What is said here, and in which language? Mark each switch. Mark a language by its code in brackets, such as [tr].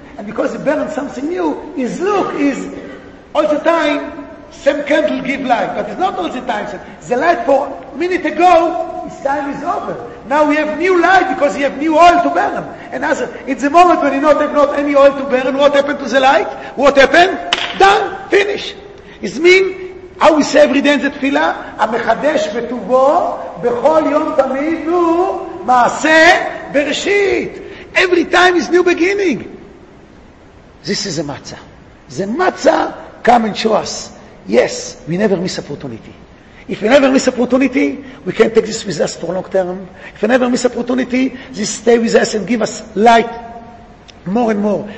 [en] And because it burns something new, is look, is all the time, same candle give light, but it's not all the time. The light for a minute ago, his time is over. Now we have new light because we have new oil to burn. And as it's the moment when you not have not any oil to burn, what happened to the light? What happened? Done. Finish. It means How we say every day in the tefillah? [he] המחדש בטובו בכל יום תמיד הוא מעשה בראשית. [en] Every time is new beginning. This is a matzah. The matzah come and show us. Yes, we never miss opportunity. If we never miss opportunity, we can take this with us for long term. If we never miss opportunity, this stay with us and give us light more and more.